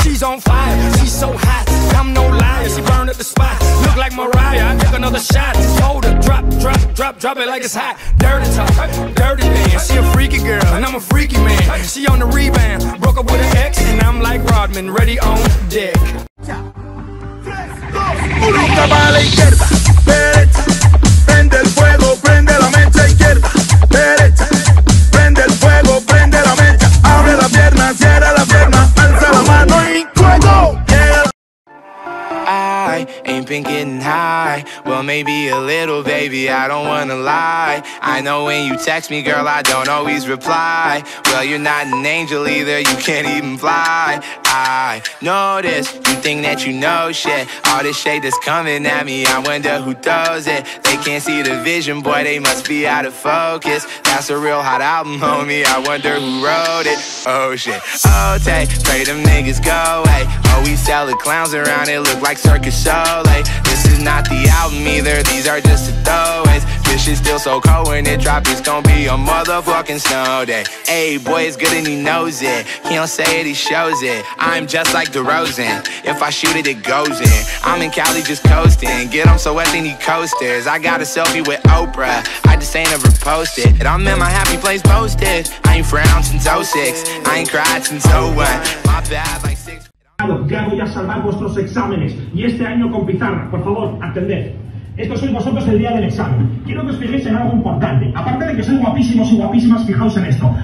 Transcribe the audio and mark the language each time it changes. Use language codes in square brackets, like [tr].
[en] She's on fire, she's so hot, I'm no liar. She burned up the spot, look like Mariah. I took another shot, told her drop, drop, drop, drop it like it's hot. Dirty talk, dirty dance. She a freaky girl, and I'm a freaky man. She on the rebound, broke up with an ex, and I'm like Rodman, ready on deck. [es] Bruta pa' la izquierda, derecha. Prende el fuego, prende la mecha izquierda. Derecha, prende el fuego, prende la mecha. Abre la pierna, cierra la pierna, alza la mano y fuego. [en] I ain't been getting high. Well, maybe a little, baby, I don't wanna lie. I know when you text me, girl, I don't always reply. Well, you're not an angel either, you can't even fly. I notice you think that you know shit. All this shade that's coming at me, I wonder who throws it. They can't see the vision, boy, they must be out of focus. That's a real hot album, homie, I wonder who wrote it. Oh, shit. Okay, pray them niggas go away. Oh, we sell the clowns around, it look like Circus Soleil. This is not the album either, these are just the throwaways. This shit's still so cold when it drops, it's gon' be a motherfucking snow day. Ayy, boy, it's good and he knows it. He don't say it, he shows it. I'm just like DeRozan, if I shoot it, it goes in. I'm in Cali just coasting, get him so wet, they need coasters. I got a selfie with Oprah, I just ain't ever posted. And I'm in my happy place posted. I ain't frowned since 06, I ain't cried since 01. My bad, like 6. [es] Ya voy a salvar vuestros exámenes y este año con pizarra, por favor, atended. Esto sois vosotros el día del examen. Quiero que os fijéis en algo importante. Aparte de que sois guapísimos y guapísimas, fijaos en esto.